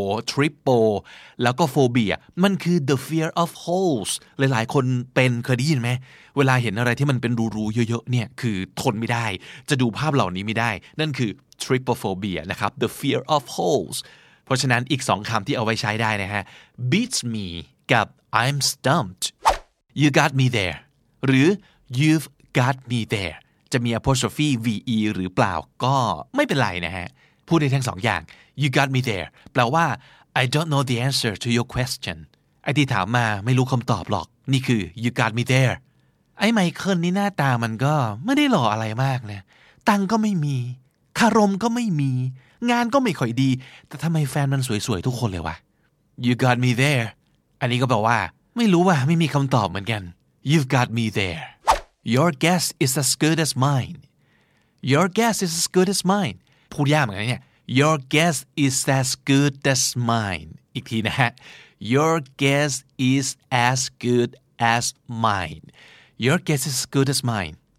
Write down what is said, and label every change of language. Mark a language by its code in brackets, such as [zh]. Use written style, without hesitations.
[th] trypo แล้วก็ phobia มันคือ [en] the fear of holes [th] หลายๆคนเป็นเคยได้ยินไหมเวลาเห็นอะไรที่มันเป็นรูๆเยอะๆเนี่ยคือทนไม่ได้จะดูภาพเหล่านี้ไม่ได้นั่นคือ trypophobia นะครับ the fear of holes เพราะฉะนั้นอีก2คำที่เอาไว้ใช้ได้นะฮะ [en] beats meI'm stumped. You got me there. [th] หรือ [en] You've got me there. [th] จะมี apostrophe ve หรือเปล่าก็ไม่เป็นไรนะฮะพูดได้ทั้งสองอย่าง [en] You got me there. [th] แปลว่า [en] I don't know the answer to your question. [th] ไอ้ที่ถามมาไม่รู้คำตอบหรอกนี่คือ [en] You got me there. [th] ไอ้ไมเคิลนี่หน้าตามันก็ไม่ได้หล่ออะไรมากนะตังก็ไม่มีคารมก็ไม่มีงานก็ไม่ค่อยดีแต่ทำไมแฟนมันสวยๆทุกคนเลยวะ [en] You got me there. [th] อันนี้ก็แปลว่าไม่รู้ว่าไม่มีคำตอบเหมือนกัน [en] You've got me there Your guess is as good as mine Your guess is as good as mine [th] พูดยากเหมือนกันเนี่ย [en] Your guess is as good as mine [th] อีกทีนะฮะ [en] Your guess is as good as mine Your guess is as good as mine